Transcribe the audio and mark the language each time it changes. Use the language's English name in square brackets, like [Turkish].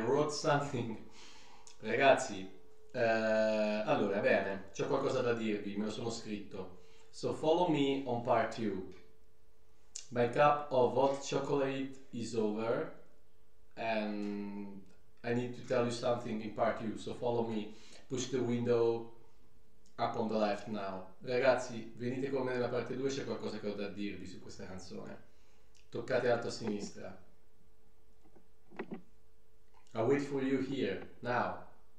[English] Something, [Italian] ragazzi, allora bene, c'ho qualcosa da dirvi, me lo sono scritto. [English] So follow me on part 2. My cup of hot chocolate is over and I need to tell you something in part 2. So follow me, push the window up on the left now. [Italian] Ragazzi, venite con me nella parte 2, c'è qualcosa che ho da dirvi su questa canzone. Toccate alto a sinistra. [English] I wait for you here, now.